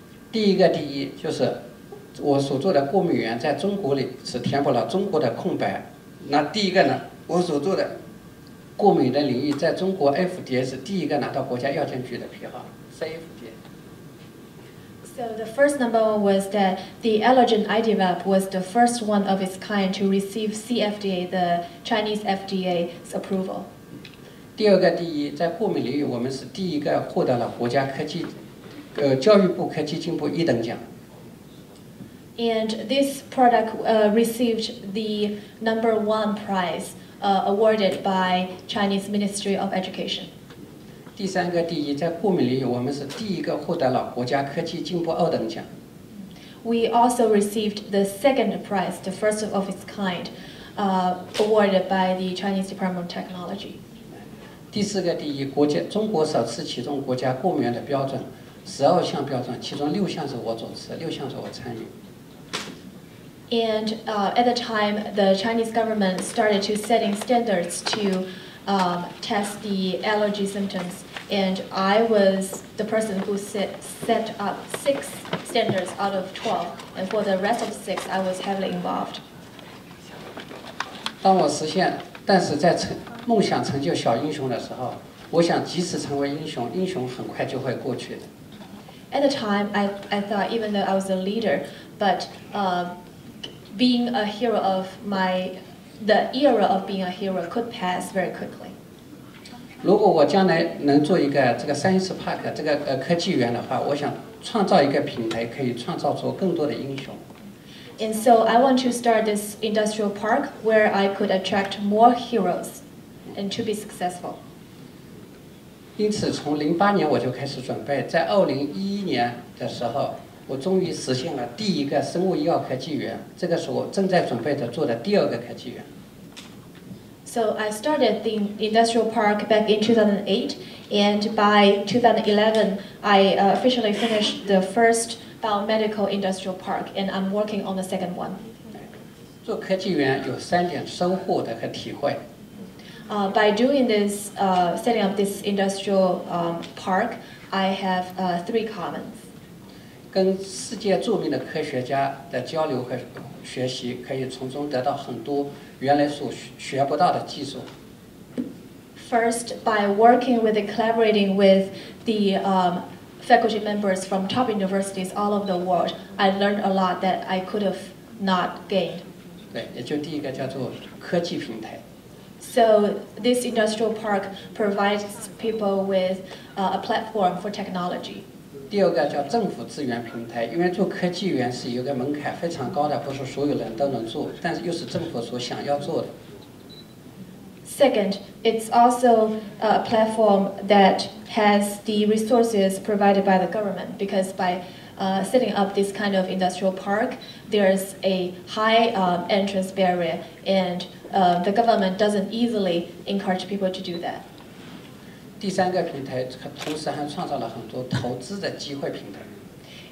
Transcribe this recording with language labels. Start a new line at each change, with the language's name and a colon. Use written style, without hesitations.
Chinese: 第一个第一就是我所做的过敏源在中国里是填补了中国的空白。那第一个呢，我所做的过敏的领域在中国 FDA 是第一个拿到国家药监局的批号 CFDA。
English: So the first number one was that the allergen I developed was the first one of its kind to receive CFDA, the Chinese FDA's approval.
Chinese: 第二个第一，在过敏领域我们是第一个获得了国家科技教育部和基金部一等奖。
English: And this product received the number one prize awarded by Chinese Ministry of Education.
Chinese: 第三个第一，在过敏领域我们是第一个获得了国家科技进步二等奖。
English: We also received the second prize, the first of its kind, awarded by the Chinese Department of Technology.
Chinese: 第四个第一，国家中国首次启动国家过敏源的标准，12项标准，其中6项是我主持，6项是我参与。
English: And at the time, the Chinese government started to setting standards to test the allergy symptoms, and I was the person who set up 6 standards out of 12, and for the rest of 6, I was heavily involved.
Chinese: 当我实现，但是在梦想成就小英雄的时候，我想即使成为英雄，英雄很快就会过去的。
English: At the time, I thought even though I was a leader, but being a hero of the era of being a hero could pass very quickly.
Chinese: 如果我将来能做一个这个 Science Park 这个科技园的话，我想创造一个品牌，可以创造出更多的英雄。
English: And so I want to start this industrial park where I could attract more heroes and to be successful.
Chinese: 因此从2008年我就开始准备，在2011年的时候我终于实现了第一个生物医药科技园，这个是我正在准备着做的第二个科技园。
English: So I started the industrial park back in 2008 and by 2011 I officially finished the first biomedical industrial park and I'm working on the second one.
Chinese: 做科技园有3点收获的和体会。
English: By doing this, setting up this industrial park, I have 3 comments.
Chinese: 跟世界著名的科学家的交流和学习，可以从中得到很多原来所学不到的技术。
English: First, by working with and collaborating with the faculty members from top universities all over the world, I learned a lot that I could have not gained.
Chinese: 对，也就第一个叫做科技平台。
English: So this industrial park provides people with a platform for technology.
Chinese: 第二个叫政府资源平台，因为做科技园是有个门槛非常高的，不是所有人都能做，但是又是政府所想要做的。
English: Second, it's also a platform that has the resources provided by the government, because by setting up this kind of industrial park, there's a high entrance barrier andthe government doesn't easily encourage people to do that.
Chinese: 第三个平台同时还创造了很多投资的机会平台。